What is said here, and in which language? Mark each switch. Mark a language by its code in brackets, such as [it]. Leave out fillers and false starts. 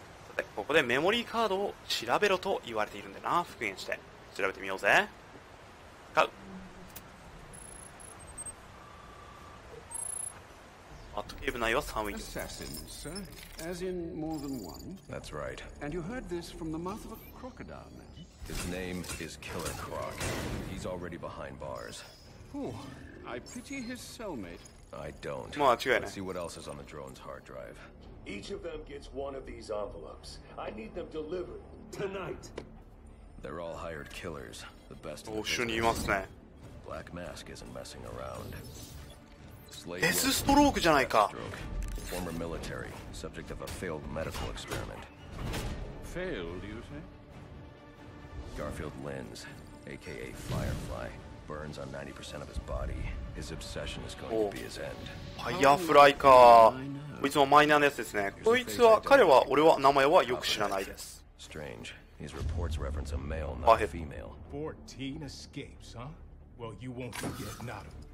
[ja] さて、ここでメモリーカードを調べろと言われているんだよな。復元して。調べてみようぜ。使う。バットケーブ内は3ウィーク。 [en] Assassins, sir. As in more than one. That's right. And you heard this from the mouth of a crocodile man. His name is Killer Croc. He's already behind bars. Ooh, I pity his cellmate. I don't. [ja] まあ違うね。 [en] Let's see what else is on the drone's hard drive. Each of them gets one of these envelopes. I need them delivered tonight. They're all hired killers. The best. [ja] おしゅにいますね。 [en] Black Mask isn't messing around. [ja] デスストロークじゃないか。 [en] Former military, subject of a failed medical experiment. Failed, you say? Garfield Lens, aka Firefly, burns on 90% of his body. His obsession is going to be his end. [ja] Firefly か。こいつもマイナーなやつですね。こいつは、彼は、俺は、名前はよく知らないです。 [en] Strange. His reports reference a male, not a female. 14 escapes, huh? Well, you won't forget not him.